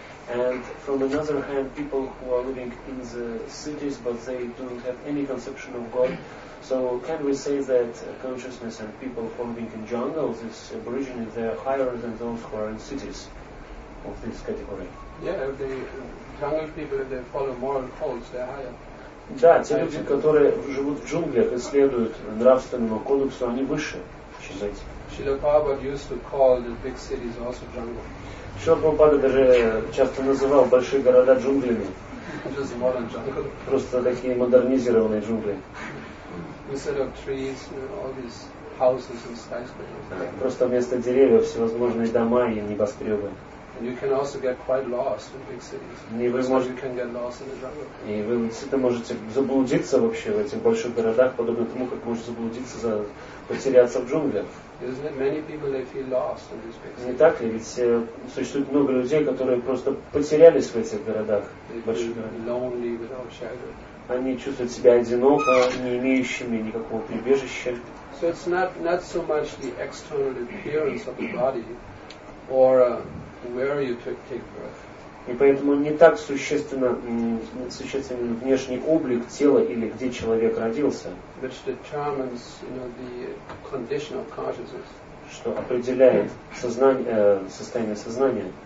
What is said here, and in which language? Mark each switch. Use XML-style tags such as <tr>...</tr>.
<en>And from another hand, people who are living in the cities, but they don't have any conception of God. So can we say that consciousness and people who are living in jungles, these aborigines, they are higher than those who are in cities? Of this category. Yeah, the jungle people, they follow moral codes, they're higher.</en> <ru>Да, те люди, которые живут в джунглях и следуют нравственному кодексу, они выше, чем эти.</ru> <en>Srila Prabhupada used to call the big cities also jungle.</en> <ru>Srila Prabhupada даже часто называл большие города джунглями.</ru> <en>Just modern jungle.</en> <ru>Просто такие модернизированные джунгли.</ru> <en>Instead of trees, you know, all these houses and skyscrapers.</en> <ru>Просто вместо деревьев всевозможные дома и небоскребы.</ru> <en>You can also get quite lost in big cities. You can get lost in the jungle.</en> <ru>И вы действительно можете заблудиться вообще в этих больших городах, подобно тому, как можете заблудиться, потеряться в джунглях.</ru> <en>Isn't it many people they feel lost in these big cities?</en> <ru>Не так ли? Ведь существует много людей, которые просто потерялись в этих городах.</ru> <en>Lonely without shelter.</en> <ru>Они чувствуют себя одиноко, не имеющими никакого прибежища.</ru> <en>So it's not so much the external appearance of the body or where you take breath.</en> <ru>И поэтому не так существенно внешний облик тела или где человек родился,</ru> <en>which determines, you know, the condition of consciousness.</en> <ru>Что определяет состояние сознания.</ru>